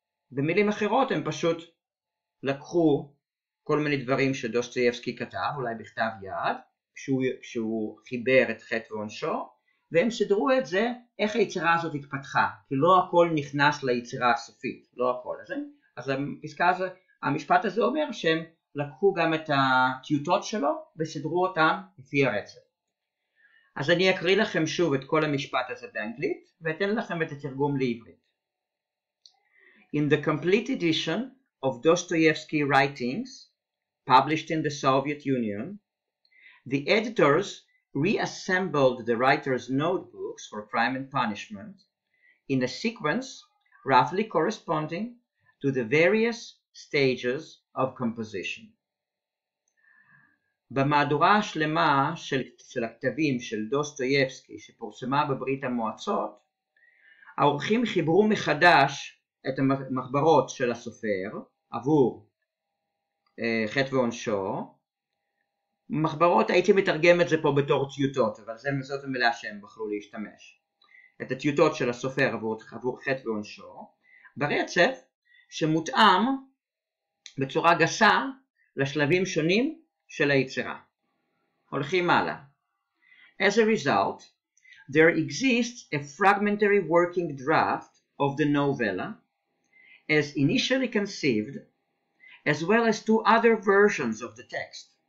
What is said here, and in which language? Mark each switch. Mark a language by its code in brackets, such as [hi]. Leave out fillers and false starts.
[he] במילים אחרות הם פשוט לקחו כל מיני דברים שדוסטויבסקי כתב, אולי בכתב יד, כשהוא חיבר את חטא ועונשו, והם סדרו את זה איך היצירה הזאת התפתחה, כי לא הכל נכנס ליצירה הסופית, לא הכל. אז הפסקה הזה, המשפט הזה אומר שהם לקחו גם את הטיוטות שלו וסדרו אותם לפי הרצף. אז אני אקריא לכם שוב את כל המשפט הזה באנגלית ואתן לכם את התרגום לעברית. [en] In the complete edition of Dostoevsky writings, published in the Soviet Union, the editors reassembled the writer's notebooks for Crime and Punishment in a sequence roughly corresponding to the various stages of composition. [he] במהדורה השלמה של הכתבים של דוסטויבסקי שפורסמה בברית המועצות, האורחים חיברו מחדש את המחברות של הסופר עבור חטא ועונשו, מחברות, הייתי מתרגם את זה פה בתור טיוטות, אבל זאת המילה שהם בחרו להשתמש, את הטיוטות של הסופר עבור חטא ועונשו, ברצף שמותאם בצורה גסה לשלבים שונים של היצירה. הולכים הלאה. [en] As a result, there exists a fragmentary working draft of the novella, as initially conceived, as well as two other versions of the text.